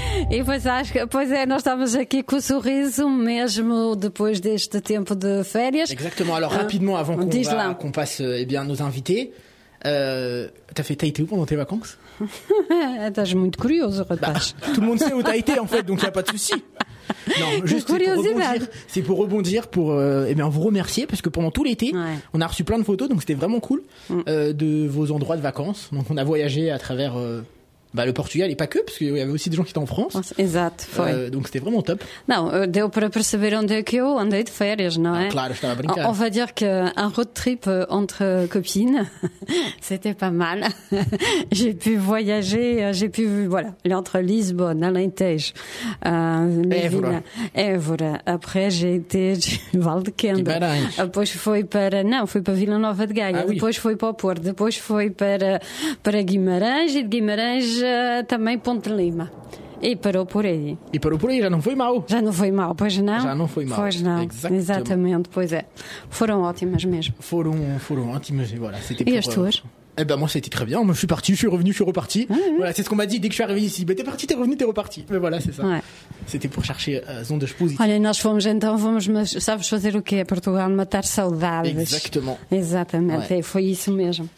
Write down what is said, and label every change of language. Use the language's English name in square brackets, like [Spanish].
[Portuguese] E pois, acho que, pois é, nós estamos aqui com o sorriso mesmo depois deste tempo de férias. [French] Exatamente, alors rapidement avant qu'on passe eh bien, nos invités. T'as été où pendant tes vacances? T'as [Portuguese] muito curioso, rapaz. [French] Tout le monde sait où t'as été en fait, donc il n'y a pas de souci. Non, juste c'est pour rebondir, vous remercier parce que pendant tout l'été, on a reçu plein de photos, donc c'était vraiment cool de vos endroits de vacances. Donc on a voyagé à travers. Bah, le Portugal et pas que, parce qu'il y avait aussi des gens qui étaient en France. Exact, foi. Donc c'était vraiment top. [Portuguese] Non, deu para perceber onde é que eu andei de férias, não é? Claro, estava a brincar. [French] On va dire qu'un road trip entre copines, c'était pas mal. J'ai pu voyager, j'ai pu, voilà, entre Lisbonne, Alentejo, Évora. Évora. Après, j'ai été de Val de Quembra. Guimarães. [Portuguese] Depois foi para, não, foi para Vila Nova de Gaia. Ah, depois [French] oui. [Portuguese] Foi para o Porto. Depois foi para Guimarães e de Guimarães também Ponte Lima. E parou por aí. E parou por aí, já não foi mal. Já não foi mal, pois não? Já não foi mal. Pois não. Exatamente. Exatamente, pois é. Foram ótimas mesmo. Foram ótimas, e voilà. E as tuas? [French] Eh ben moi c'était très bien, moi je suis parti, je suis revenu, je suis reparti. Voilà, c'est ce qu'on m'a dit dès que je suis arrivé ici. Ben t'es parti, t'es revenu, t'es reparti. Mais voilà, c'est ça. Ouais. C'était pour chercher zone de chepouse. [Portuguese] Olha, nós fomos então, vamos, sabes fazer o quê? Portugal, matar saudades. [French] Exactement. [Portuguese] Exatamente, ouais. Et foi isso mesmo.